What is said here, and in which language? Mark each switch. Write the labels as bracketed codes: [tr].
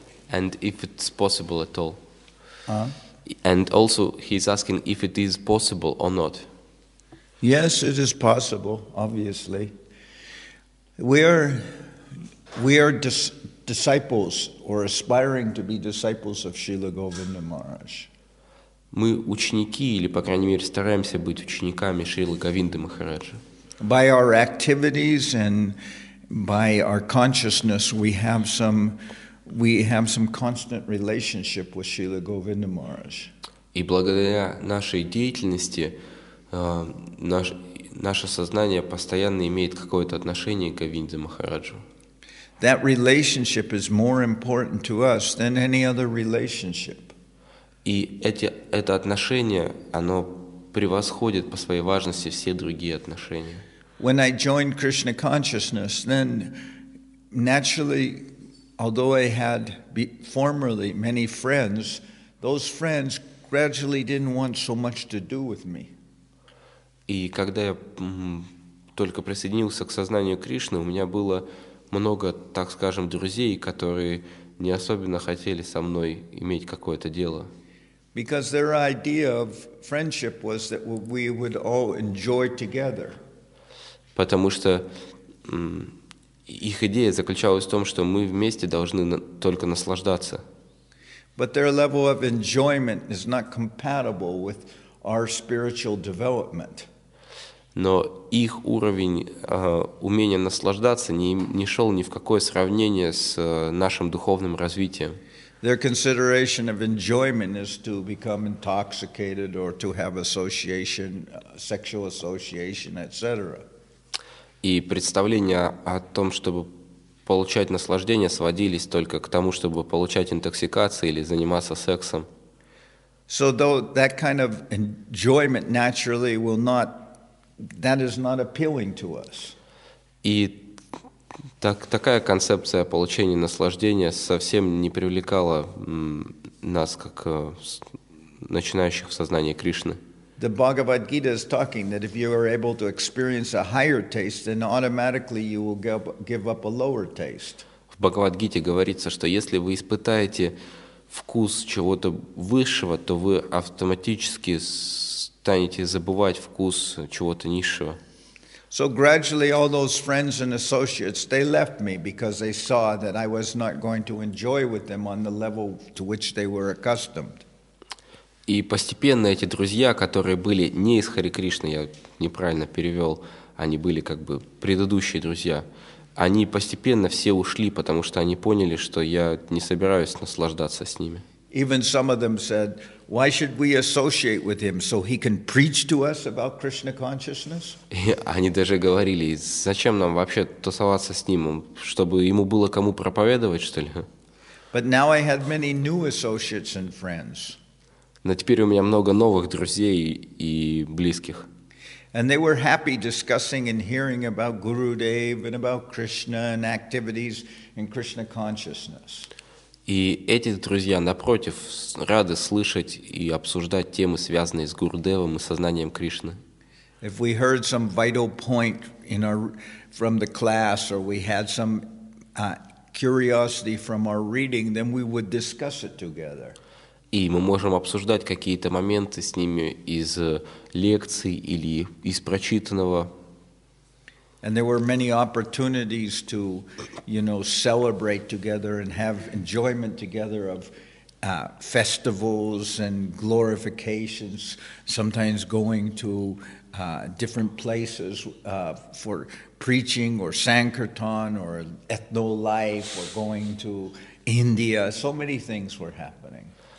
[en] And if it's possible at all. And also, he's asking if it is possible or not. Yes, it is possible, obviously. We are disciples or aspiring to be disciples of Srila Govinda Maharaj. [ru] Мы ученики, или, по крайней мере, стараемся быть учениками Шрилы Говинды Махараджа. [en] By our activities and by our consciousness, we have some constant relationship with Srila Govinda Maharaj. [ru] И благодаря нашей деятельности наше сознание постоянно имеет какое-то отношение к Говинде Махараджу. [en] That relationship is more important to us than any other relationship. [ru] И это отношение, оно превосходит по своей важности все другие отношения. [en] When I joined Krishna consciousness, then naturally, although I had formerly many friends, those friends gradually didn't want so much to do with me. [ru] И когда я только присоединился к сознанию Кришны, у меня было много, так скажем, друзей, которые не особенно хотели со мной иметь какое-то дело. [en] Because their idea of friendship was that we would all enjoy together. [ru] Потому что их идея заключалась в том, что мы вместе должны только наслаждаться. [en] But their level of enjoyment is not compatible with our spiritual development. [ru] Но их уровень умения наслаждаться не шел ни в какое сравнение с нашим духовным развитием. [en] Their consideration of enjoyment is to become intoxicated or to have association, sexual association, etc. [ru] И представления о том, чтобы получать наслаждение, сводились только к тому, чтобы получать интоксикацию или заниматься сексом. [en] So though that kind of enjoyment naturally will not, that is not appealing to us. [ru] И такая концепция получения наслаждения совсем не привлекала нас, как начинающих в сознании Кришны. [en] The Bhagavad Gita is talking that if you are able to experience a higher taste, then automatically you will give up a lower taste. [ru] В Бхагавад Гите говорится, что если вы испытаете вкус чего-то высшего, то вы автоматически станете забывать вкус чего-то низшего. [en] So gradually all those friends and associates, they left me because they saw that I was not going to enjoy with them on the level to which they were accustomed. [ru] И постепенно эти друзья, которые были не из Хари Кришны, я неправильно перевел, они были как бы предыдущие друзья, они постепенно все ушли, потому что они поняли, что я не собираюсь наслаждаться с ними. [en] Even some of them said, why should we associate with him so he can preach to us about Krishna consciousness? [ru] Они даже говорили, зачем нам вообще тусоваться с ним, чтобы ему было кому проповедовать, что ли? [en] But now I had many new associates and friends. [ru] Но теперь у меня много новых друзей и близких. [en] And they were happy discussing and hearing about Gurudev and about Krishna and activities in Krishna consciousness. [ru] И эти друзья, напротив, рады слышать и обсуждать темы, связанные с Гурудевом и сознанием Кришны. [en] If we heard some vital point in our, from the class, or we had some curiosity from our reading, then we would discuss it together. [ru] И мы можем обсуждать какие-то моменты с ними из лекций или из прочитанного. [en] And there were many opportunities to, you know, celebrate together and have enjoyment together of festivals and glorifications, sometimes going to different places for preaching or sankirtan or ethno life or going to India. So many things were happening.